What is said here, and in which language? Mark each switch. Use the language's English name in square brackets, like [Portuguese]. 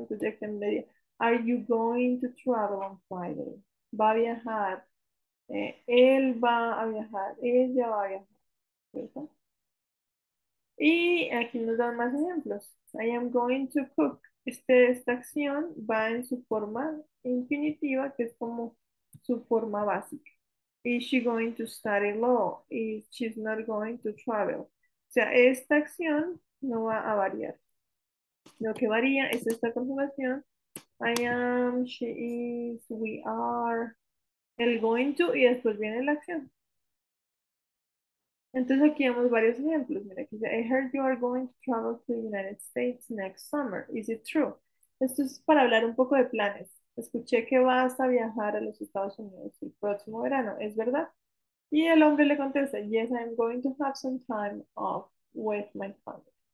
[Spanish] Entonces yo diría, [English] are you going to travel on Friday? [Spanish] ¿Va a viajar? Él va a viajar, ella va a viajar, ¿cierto? Y aquí nos dan más ejemplos. [English] I am going to cook. [Spanish] Esta acción va en su forma infinitiva, que es como su forma básica. [English] Is she going to study law? Is she not going to travel? [Spanish] O sea, esta acción no va a variar. Lo que varía es esta conjugación. [English] I am, she is, we are. [Spanish] El going to y después viene la acción. Entonces aquí vemos varios ejemplos. Mira, aquí dice, [English] I heard you are going to travel to the United States next summer. Is it true? [Spanish] Esto es para hablar un poco de planes. Escuché que vas a viajar a los Estados Unidos el próximo verano. ¿Es verdad? Y el hombre le contesta, [English] yes, I'm going to have some time off with my family.